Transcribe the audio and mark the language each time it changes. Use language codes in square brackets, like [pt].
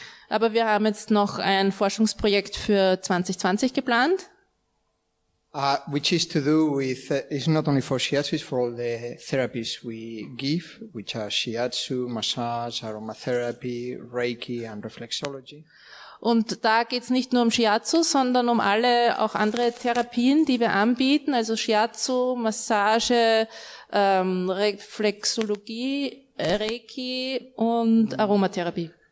[de] Aber wir haben jetzt noch ein Forschungsprojekt für 2020 geplant. [en] Which is to do with, it's not only for shiatsu, it's for all the therapies we give, which are shiatsu, massage, aromatherapy, reiki and reflexology. [de] Und da geht es nicht nur um Shiatsu, sondern um alle auch andere Therapien, die wir anbieten, also Shiatsu, Massage, Reflexologie, Reiki und Aromatherapie.